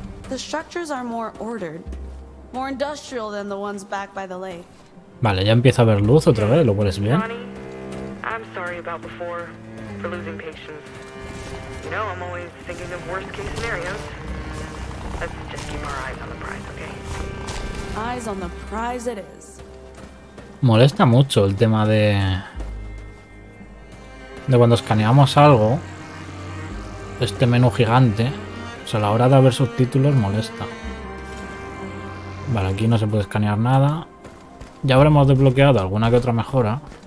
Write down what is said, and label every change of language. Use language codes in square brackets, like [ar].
[en] The structures are more ordered, more industrial than the ones back by the lake. [es] Vale, ya empieza a haber luz otra vez, lo cual es bien. [en] I'm sorry about before for losing patience. You know, I'm always thinking of worst case scenarios. Let's just keep our eyes on the prize, okay? Eyes on the prize it is. [es] Molesta mucho el tema de cuando escaneamos algo, este menú gigante, o sea, a la hora de ver subtítulos molesta. Vale, aquí no se puede escanear nada. Ya habremos desbloqueado alguna que otra mejora.